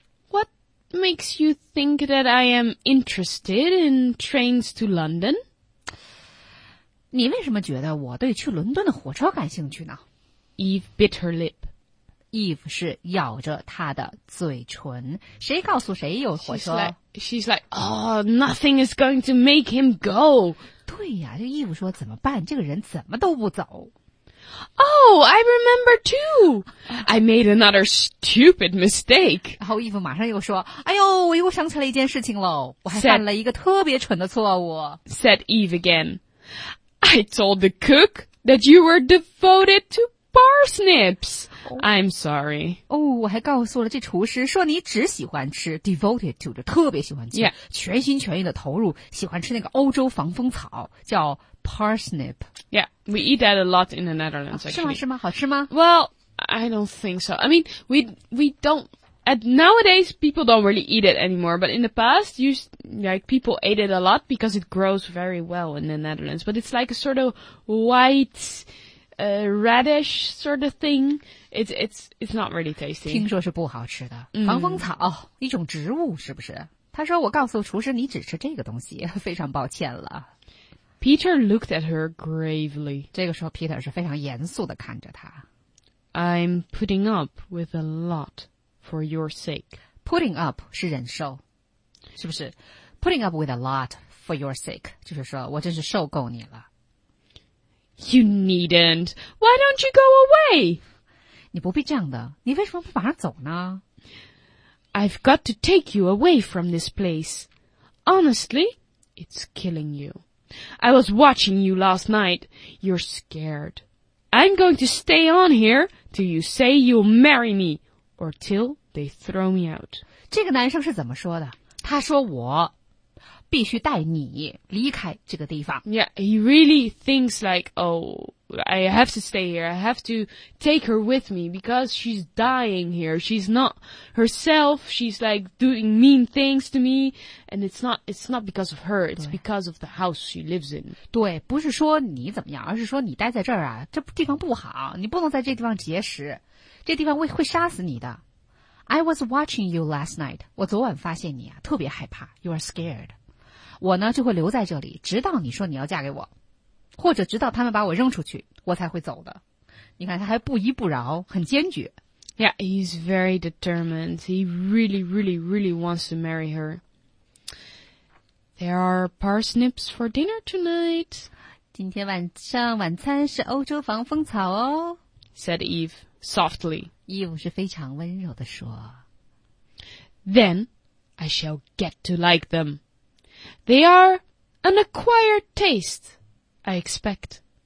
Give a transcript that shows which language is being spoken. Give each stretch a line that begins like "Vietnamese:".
English: What makes you think that I am interested in trains to London?
Chinese: 你为什么觉得我对去伦敦的火车感兴趣呢？
English: Eve bit her lip.
Chinese: Eve 是咬着她的嘴唇。谁告诉谁有火车
English: She's like, oh, nothing is going to make him go.
Chinese: 对呀，这 Eve 说怎么办？这个人怎么都不走。
English: Oh, I remember too. I made another stupid mistake.
Chinese: 然后 Eve 马上又说，哎呦，我又想起来一件事情了。我还犯了一个特别蠢的错误。
English: Said Eve again. I told the cook that you were devoted to Parsnips. I'm sorry.
Chinese: Oh, 我还告诉了这厨师说你只喜欢吃
English: devoted to
Chinese: 的特别喜欢吃、
English: yeah.
Chinese: 全心全意的投入喜欢吃那个欧洲防风草叫 parsnip.
English: Yeah, we eat that a lot in the Netherlands actually. 是吗是吗好吃吗 Well, I don't think so. I mean, we don't, at nowadays people don't really eat it anymore, but in the past, people ate it a lot because it grows very well in the Netherlands, but it's like a sort of white,A radish sort of thing. It's not really tasty.
Chinese: 听说是不好吃的、mm. 防风草、oh, 一种植物是不是他说我告诉厨师你只吃这个东西非常抱歉了。
English: Peter looked at her gravely.
Chinese: 这个时候 Peter 是非常严肃地看着他。
English: I'm putting up with a lot for your sake. Putting up
Chinese: 是忍受是不是
English: Putting up with a lot for your sake.
Chinese: 就是说我真是受够你了。
English: You needn't. Why don't you go away?
Chinese: 你不必这样的。你为什么不马上走呢?
English: I've got to take you away from this place. Honestly, it's killing you. I was watching you last night. You're scared. I'm going to stay on here till you say you'll marry me, or till they throw me out.
Chinese: 这个男生是怎么说的?他说我。必须带你离开这个地方。
English: Yeah, he really thinks like, oh, I have to stay here. I have to take her with me because she's dying here. She's not herself. She's like doing mean things to me. And it's not because of her. It's because of the house she lives in.
Chinese: 对，不是说你怎么样，而是说你待在这儿啊，这地方不好，你不能在这地方结识，这地方会杀死你的。
English: I was watching you last night.
Chinese: 我昨晚发现你啊，特别害怕。
English: You are scared.
Chinese: 我呢就会留在这里，直到你说你要嫁给我。或者直到他们把我扔出去，我才会走的。你看，他还不依不饶，很坚决。
English: Yeah, he's very determined. He really, really, really wants to marry her. There are parsnips for dinner tonight.
Chinese: 今天晚上晚餐是欧洲防风草哦。
English: Said Eve softly.
Chinese: Eve 是非常温柔地说。
English: Then I shall get to like them. They are an acquired taste. I expect.